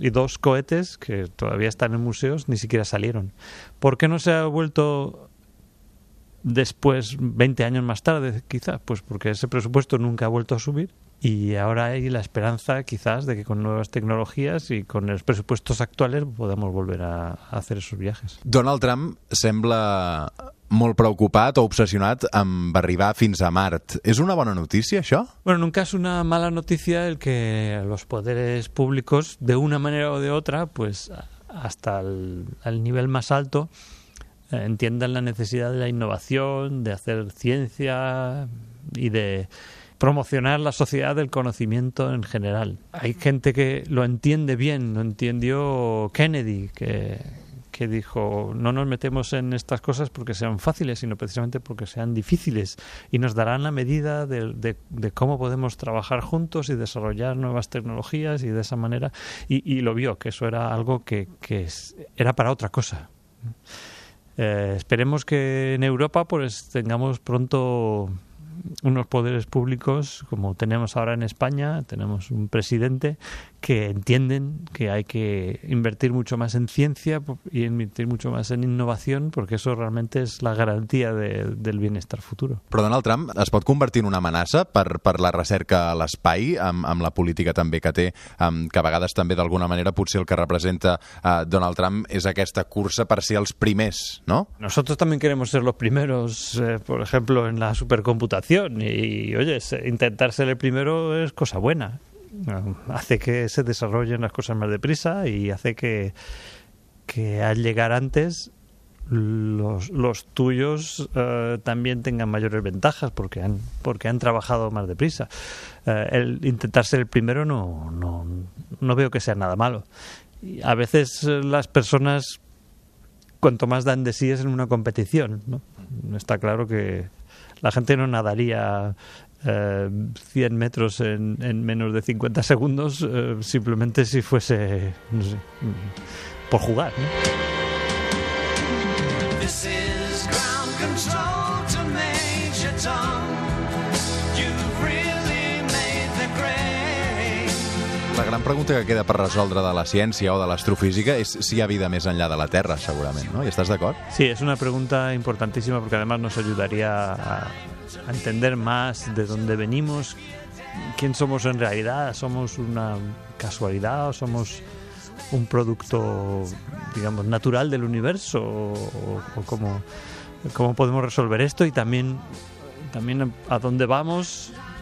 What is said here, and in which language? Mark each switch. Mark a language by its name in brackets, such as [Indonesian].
[Spanish] Y dos cohetes que todavía están en museos ni siquiera salieron. ¿Por qué no se ha vuelto después, 20 años más tarde, quizás? Pues porque ese presupuesto nunca ha vuelto a subir. Y ahora hay la esperanza, quizás, de que con nuevas tecnologías y con los presupuestos actuales podamos volver a hacer esos viajes. [Catalan] Donald Trump sembla molt preocupat o obsessionat amb arribar fins a Mart. ¿És una bona notícia, això? [Spanish] Bueno, nunca es una mala noticia el que los poderes públicos, de una manera o de otra, pues hasta el nivel más alto, entiendan la necesidad de la innovación, de hacer ciencia y de promocionar la sociedad del conocimiento en general. Hay gente que lo entiende bien, lo entendió Kennedy, que dijo, no nos metemos en estas cosas porque sean fáciles, sino precisamente porque sean difíciles y nos darán la medida de cómo podemos trabajar juntos y desarrollar nuevas tecnologías y de esa manera. Y lo vio, que eso era algo que era para otra cosa. Esperemos que en Europa pues tengamos pronto unos poderes públicos como tenemos ahora en España, tenemos un presidente que entienden que hay que invertir mucho más en ciencia y invertir mucho más en innovación, porque eso realmente es la garantía del bienestar futuro. [Catalan] Però Donald Trump es pot convertir en una amenaça per la recerca a l'espai, amb la política també que té, que a vegades també d'alguna manera potser el que representa Donald Trump és aquesta cursa per ser els primers, no? [Spanish] Nosotros también queremos ser los primeros, por ejemplo, en la supercomputación, y oye, intentar ser el primero es cosa buena. Hace que se desarrollen las cosas más deprisa y hace que al llegar antes los tuyos también tengan mayores ventajas porque han trabajado más deprisa. El intentar ser el primero no veo que sea nada malo. Y a veces las personas, cuanto más dan de sí, es en una competición, ¿no? Está claro que la gente no nadaría 100 metros en menos de 50 segundos simplemente si fuese, no sé, por jugar, ¿no? [English] This is ground control to Major Tom. You've really made the grade. [Catalan] La gran pregunta que queda per resoldre de la ciència o de l'astrofísica és si hi ha vida més enllà de la Terra, segurament, no? I estàs d'acord? Sí, és una pregunta importantíssima perquè [Spanish] además nos ajudaria a entender más de dónde venimos, quién somos en realidad, somos una casualidad o somos un producto, digamos, natural del universo, o cómo podemos resolver esto, y también a dónde vamos,